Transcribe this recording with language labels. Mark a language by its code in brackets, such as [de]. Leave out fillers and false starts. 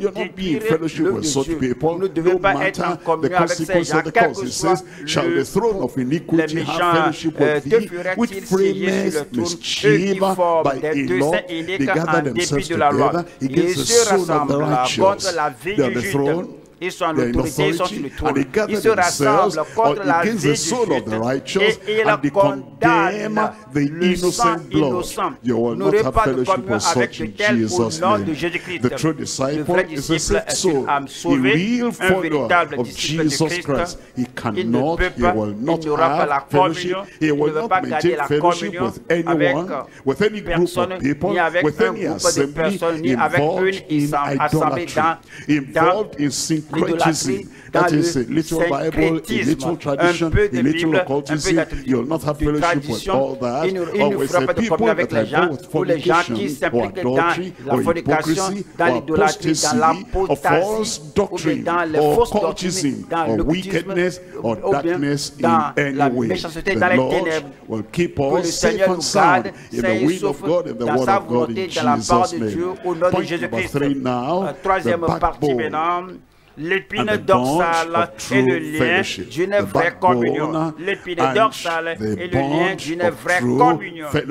[en] You're not being in fellowship with such people. No matter the consequence of the cause. It says, shall the throne of iniquity have fellowship with thee, which frameth mischief by a law? They gather themselves together against the soul of the righteous. They are the throne. [fr] Ils sont en autorité, ils sont sur le trône. Ils se rassemblent contre la vie du [en] soul of the righteous, and they condemn the innocent blood. You will not have fellowship with such in Jesus' name. The true disciple is a sick soul, a real follower of Jesus Christ. He cannot, he will not have fellowship, he will not maintain fellowship with anyone, with any group of people, with any assembly, involved in idolatry, involved in sin. Criticism. That is a little Bible, a little tradition, a little occultism. You will not have fellowship with all that. Or with the people that are involved with fornication, or adultery, or hypocrisy, or apostasy, or false doctrine, or occultism, or wickedness, or darkness in any way. The Lord will keep us safe and sound in the will of God, in the word of God, in Jesus' name. Point number three now, the backbone. [fr] L'épine dorsale et le lien d'une vraie communion. L'épine dorsale et le lien d'une vraie communion.